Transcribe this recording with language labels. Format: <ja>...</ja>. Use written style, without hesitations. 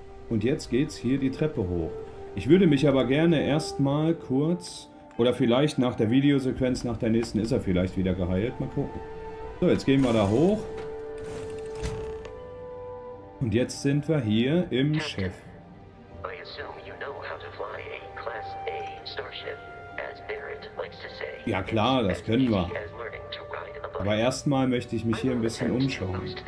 <de>Und jetzt geht's hier die Treppe hoch. Ich würde mich aber gerne erstmal kurz, oder vielleicht nach der Videosequenz, nach der nächsten, ist er vielleicht wieder geheilt. Mal gucken. So, jetzt gehen wir da hoch. Und jetzt sind wir hier im Schiff.</de> <en>I assume you know how to fly a Class A Starship, as Barrett likes to say.</en> <de>Ja klar, das können wir. Aber erstmal möchte ich mich hier ein bisschen umschauen.</de>